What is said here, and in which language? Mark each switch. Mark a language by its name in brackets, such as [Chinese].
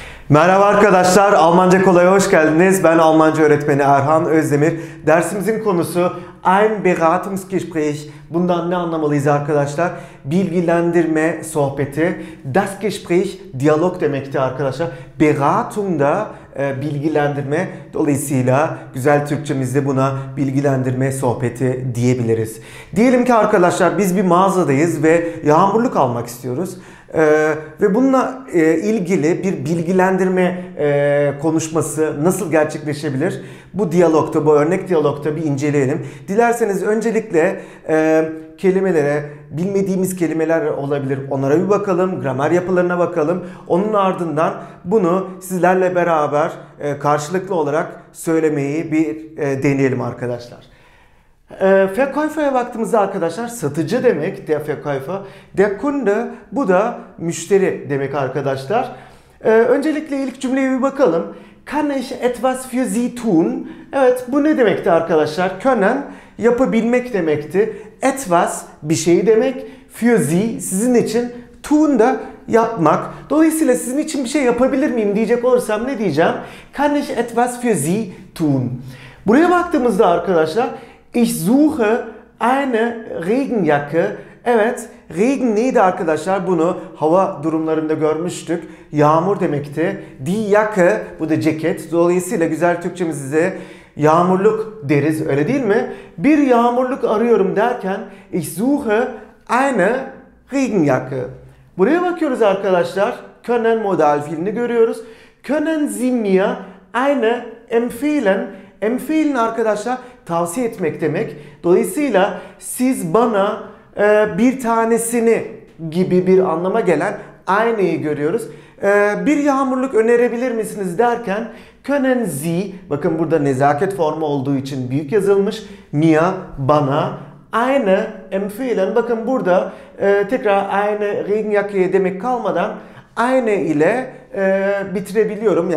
[Turkish] Merhaba arkadaşlar, Almanca Kolay'a hoş geldiniz. Ben Almanca öğretmeni Erhan Özdemir. Dersimizin konusu [German] ein Beratungsgespräch. [Turkish] Bundan ne anlamalıyız arkadaşlar? Bilgilendirme sohbeti. [German] Das Gespräch, [Turkish] diyalog demekti arkadaşlar. Beratung da bilgilendirme. Dolayısıyla güzel Türkçemizde buna bilgilendirme sohbeti diyebiliriz. Diyelim ki arkadaşlar biz bir mağazadayız ve yağmurluk almak istiyoruz. Ve bununla ilgili bir bilgilendirme konuşması nasıl gerçekleşebilir? Bu diyalogta, bu örnek diyalogta bir inceleyelim. Dilerseniz öncelikle kelimelere, bilmediğimiz kelimeler olabilir. Onlara bir bakalım, gramer yapılarına bakalım. Onun ardından bunu sizlerle beraber karşılıklı olarak söylemeyi bir deneyelim arkadaşlar. Verkäufer'a baktığımızda arkadaşlar satıcı demek, [German] der Verkäufer. Der Kunde, [Turkish] bu da müşteri demek arkadaşlar. Öncelikle ilk cümleye bir bakalım. [German] Kann ich etwas für Sie tun? [Turkish] Evet, bu ne demekti arkadaşlar? Können, yapabilmek demekti. Etwas, bir şeyi demek. [German] Für Sie, [Turkish] sizin için. Tun da yapmak. Dolayısıyla sizin için bir şey yapabilir miyim diyecek olursam ne diyeceğim? [German] Kann ich etwas für Sie tun? [Turkish] Buraya baktığımızda arkadaşlar [German] ich suche eine Regenjacke. [Turkish] Evet, Regen neydi arkadaşlar? Bunu hava durumlarında görmüştük. Yağmur demekti. [German] Die Jacke, [Turkish] bu da ceket. Dolayısıyla güzel Türkçemizde yağmurluk deriz, öyle değil mi? Bir yağmurluk arıyorum derken [German] ich suche eine Regenjacke. [Turkish] Buraya bakıyoruz arkadaşlar. Können modal fiilini görüyoruz. [German] Können Sie mir eine empfehlen? [Turkish] Empfehlen arkadaşlar tavsiye etmek demek. Dolayısıyla siz bana bir tanesini gibi bir anlama gelen aynayı görüyoruz. Bir yağmurluk önerebilir misiniz derken [German] können Sie, [Turkish] bakın burada nezaket formu olduğu için büyük yazılmış, mir, bana, [German] eine empfehlen, [Turkish] bakın burada tekrar [German] eine Regenjacke [Turkish] demek kalmadan eine ile bitirebiliyorum.